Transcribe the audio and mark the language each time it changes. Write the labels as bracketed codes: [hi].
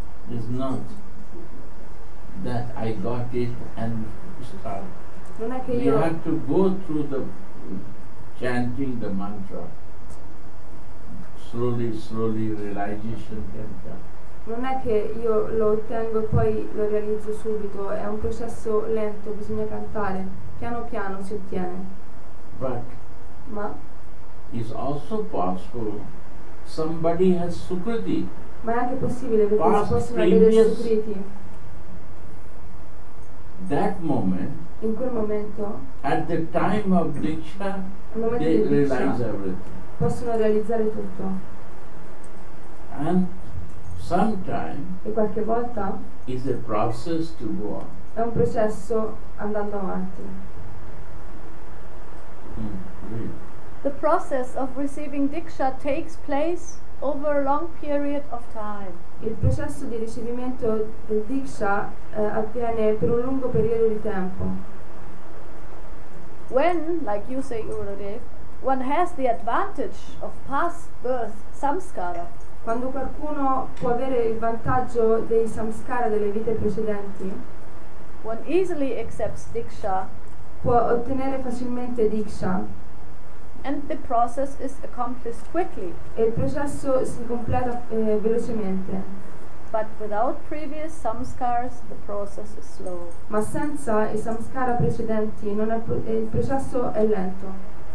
[en] It's not that I got it and start. [it] Non è che [en] we [it] io. [en] We have to go through the chanting the mantra. Slowly, slowly realization can come. [it] Non è che io lo ottengo e poi lo realizzo subito, è un processo lento, bisogna cantare. Piano piano si ottiene. [en] But [it] ma [en] it's also possible somebody has sukriti. [it] Ma è anche possibile che si possono avere sukriti. [en] That moment. [it] In quel momento. [en] At the time of diksha, they realize everything. [it] Possono realizzare tutto. [en] And sometimes [it] e qualche volta [en] is a process to go on. [it] È un processo andando avanti. [en] The process of receiving diksha takes place over a long period of time. [it] Il processo di ricevimento del diksha avviene per un lungo periodo di tempo. [en] When, like you say, Urudev, one has the advantage of past birth samskara. [it] Quando qualcuno può avere il vantaggio dei samskara delle vite precedenti, [en] one easily accepts diksha. [it] Può ottenere facilmente diksha. [en] And the process is accomplished quickly. [it] E il processo si completa velocemente. [en] But without previous samskaras, the process is slow. [it] Ma senza i samskara precedenti, il processo è lento.